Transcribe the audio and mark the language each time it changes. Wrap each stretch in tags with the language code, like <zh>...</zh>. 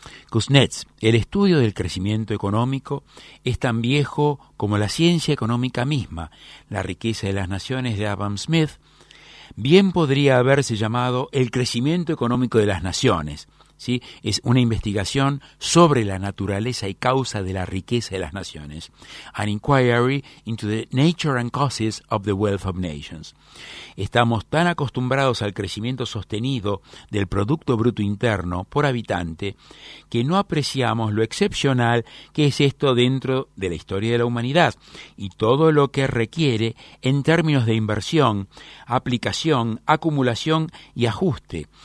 <es>Kuznets, el estudio del crecimiento económico es tan viejo como la ciencia económica misma. La riqueza de las naciones de Adam Smith bien podría haberse llamado el crecimiento económico de las naciones. ¿sí? Es una investigación sobre la naturaleza y causa de la riqueza de las naciones.</es> <en>An inquiry into the nature and causes of the wealth of nations.</en> <es>Estamos tan acostumbrados al crecimiento sostenido del Producto Bruto Interno por habitante que no apreciamos lo excepcional que es esto dentro de la historia de la humanidad y todo lo que requiere en términos de inversión, aplicación, acumulación y ajuste.</es>